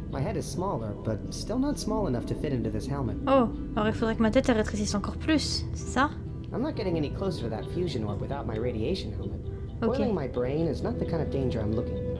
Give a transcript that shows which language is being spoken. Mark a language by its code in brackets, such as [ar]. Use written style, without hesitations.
[en] My head is smaller, but still not small enough to fit into this helmet. [fr] Oh, alors il faudrait que ma tête rétrécisse encore plus, c'est ça? [en] I'm not getting any closer to that fusion orb without my radiation helmet. Okay. Boiling my brain is not the kind of danger I'm looking for.